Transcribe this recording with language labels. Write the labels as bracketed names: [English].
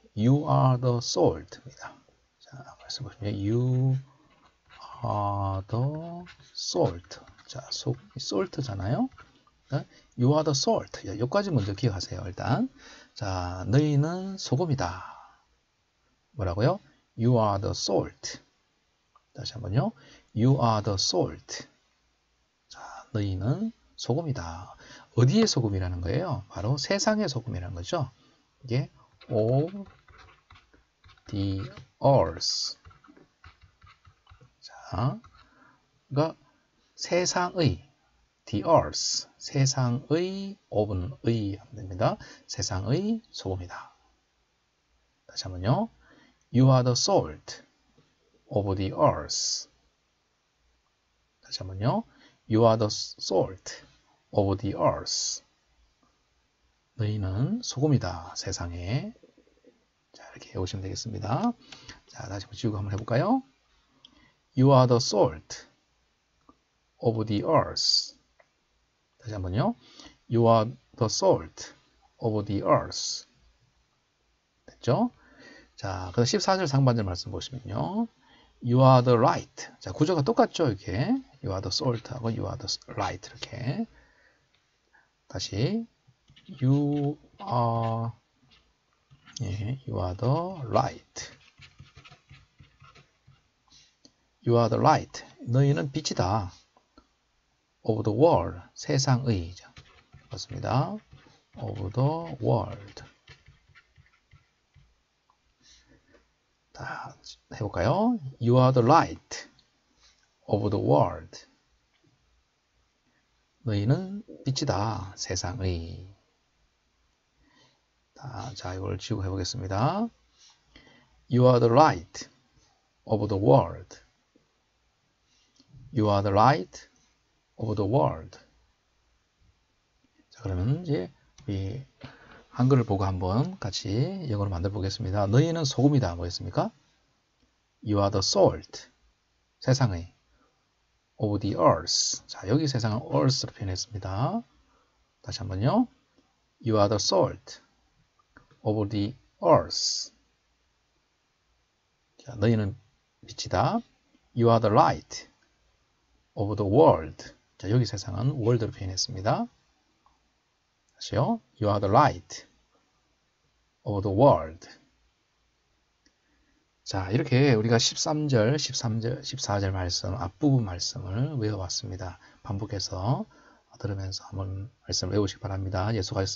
[English] You are the salt입니다. [Korean] 자, 말씀 보시면 [English] You are the salt. 자, salt잖아요. 네? You are the salt. [Korean] 야, 여기까지 먼저 기억하세요, 일단. 자, 너희는 소금이다. 뭐라고요? [English] You are the salt. [Korean] 다시 한번요. [English] You are the salt. [Korean] 자, 너희는 소금이다. 어디의 소금이라는 거예요? 바로 세상의 소금이라는 거죠. 이게 [English] all the earth. [Korean] 자, 그러니까 세상의 the earth, 세상의 of는 의 됩니다. 세상의 소금이다. 다시 한번요. [English] You are the salt of the earth. [Korean] 다시 한번요. [English] You are the salt of the earth. [Korean] 너희는 소금이다, 세상에. 자, 이렇게 해오시면 되겠습니다. 자, 다시 지우고 한번 해볼까요? [English] You are the salt of the earth. [Korean] 다시 한번요. [English] You are the salt of the earth. [Korean] 됐죠? 자, 그 14절 상반절 말씀 보시면요. [English] You are the light. [Korean] 자, 구조가 똑같죠? 이렇게. [English] You are the salt하고 You are the light. [Korean] 이렇게. 다시. [English] You are. 예, you are the light. You are the light. [Korean] 너희는 빛이다. [English] Of the world. [Korean] 세상의. 맞습니다. [English] Of the world. [Korean] 다 해볼까요? [English] You are the light of the world. [Korean] 너희는 빛이다. 세상의. 자, 이걸 지우고 해보겠습니다. [English] You are the light of the world. You are the light of the world. [Korean] 자, 그러면 이제 우리 한글을 보고 한번 같이 영어로 만들어 보겠습니다. 너희는 소금이다. 뭐겠습니까? [English] You are the salt. [Korean] 세상의. [English] Of the earth. [Korean] 자, 여기 세상을 earth로 표현했습니다. 다시 한번요. [English] You are the salt. Over the earth. [Korean] 자, 너희는 빛이다. [English] You are the light of the world. [Korean] 자, 여기 세상은 world로 표현했습니다. 다시요. [English] You are the light of the world. [Korean] 자, 이렇게 우리가 13절, 13절, 14절 말씀, 앞부분 말씀을 외워봤습니다. 반복해서 들으면서 한번 말씀을 외우시기 바랍니다. 예, 수고하셨습니다.